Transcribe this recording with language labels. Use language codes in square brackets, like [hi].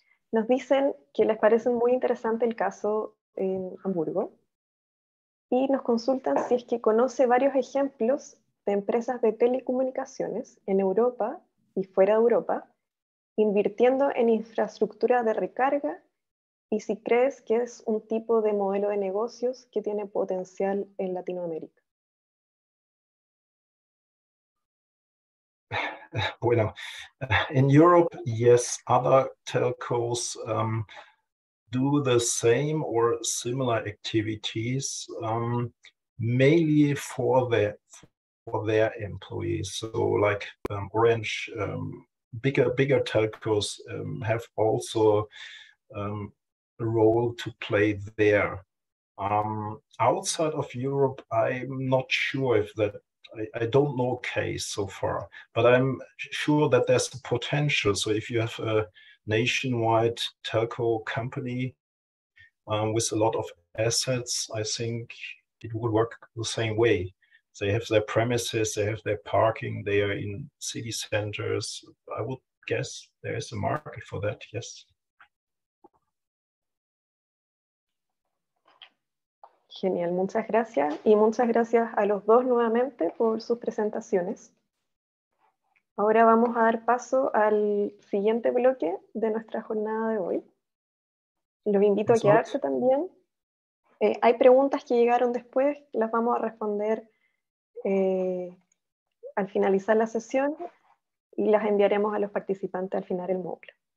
[es] Nos dicen que les parece muy interesante el caso en Hamburgo y nos consultan si es que conoce varios ejemplos de empresas de telecomunicaciones en Europa y fuera de Europa invirtiendo en infraestructura de recarga. Y si crees que es un tipo de modelo de negocios que tiene potencial en Latinoamérica. [en] Bueno, in Europe, yes, other telcos do the same or similar activities, mainly for their employees. So like Orange, bigger telcos have also role to play there. Outside of Europe, I'm not sure if that, I don't know a case so far, but I'm sure that there's the potential. So if you have a nationwide telco company with a lot of assets, I think it would work the same way. They have their premises, they have their parking, they are in city centers. I would guess there is a market for that, yes. [es] Genial, muchas gracias y muchas gracias a los dos nuevamente por sus presentaciones. Ahora vamos a dar paso al siguiente bloque de nuestra jornada de hoy. Los invito a quedarse también. Hay preguntas que llegaron después, las vamos a responder al finalizar la sesión y las enviaremos a los participantes al final del módulo.